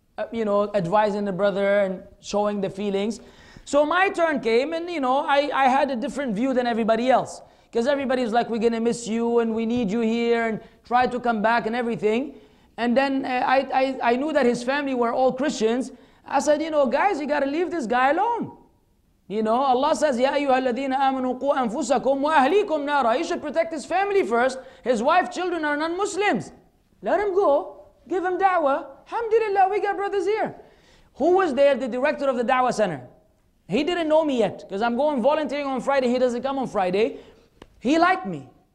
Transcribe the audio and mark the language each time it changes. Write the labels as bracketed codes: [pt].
[en] You know, advising the brother and showing the feelings. So my turn came and, you know, I had a different view than everybody else. Because everybody's like, we're going to miss you and we need you here and try to come back and everything. And then I knew that his family were all Christians. I said, you know, guys, you got to leave this guy alone. You know, Allah says, [ar] يَا أَيُّهَا الَّذِينَ آمَنُوا قُوا أَنفُسَكُمْ وَأَهْلِيكُمْ نَارًا. [en] You should protect his family first. His wife, children are non-Muslims. Let him go. Give him da'wah. Alhamdulillah, we got brothers here. Who was there? The director of the da'wah center. He didn't know me yet because I'm going volunteering on Friday. He doesn't come on Friday. He liked me.